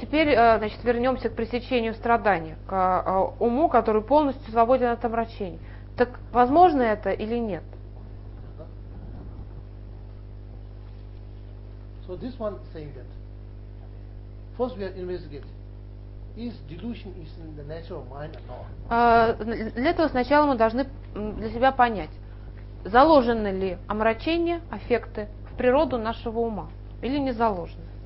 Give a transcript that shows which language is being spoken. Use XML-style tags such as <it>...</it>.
<ru>Теперь, значит, вернемся к пресечению страдания, к уму, который полностью свободен от омрачений. Так возможно это или нет?</ru> <en>So this one saying that first we are investigating. Is delusion is in the nature of mind or not?</en> <ru>Для этого сначала мы должны для себя понять. Заложены ли омрачения, аффекты в природу нашего ума или не заложены?</ru>